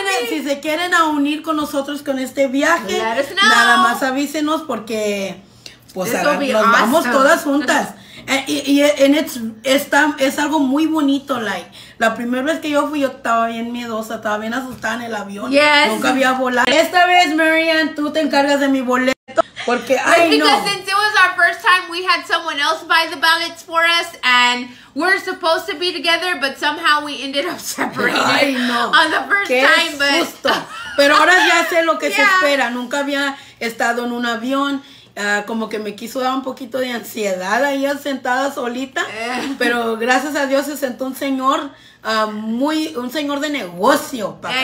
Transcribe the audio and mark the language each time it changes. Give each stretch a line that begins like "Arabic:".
Spanish: Si se quieren a unir con nosotros con este viaje, nada más avísenos porque pues nos vamos todas juntas. Es algo muy bonito. La primera vez que yo fui, yo estaba bien miedosa, estaba bien asustada en el avión.
English: Yes.
Spanish: Nunca había volado. Esta vez, Marianne, tú te encargas de mi boleto. Porque,
English: since it was our first time, we had someone else buy the ballots for us, and we're supposed to be together, but somehow we ended up separated.
Spanish: Ay, no.
English: On the first
Spanish: Qué
English: time,
Spanish: susto.
English: But...
Spanish: susto. Pero ahora ya sé lo que se espera. Nunca había estado en un avión. Como que me quiso dar un poquito de ansiedad ahí sentada solita. Pero gracias a Dios se sentó un señor, un señor de negocio.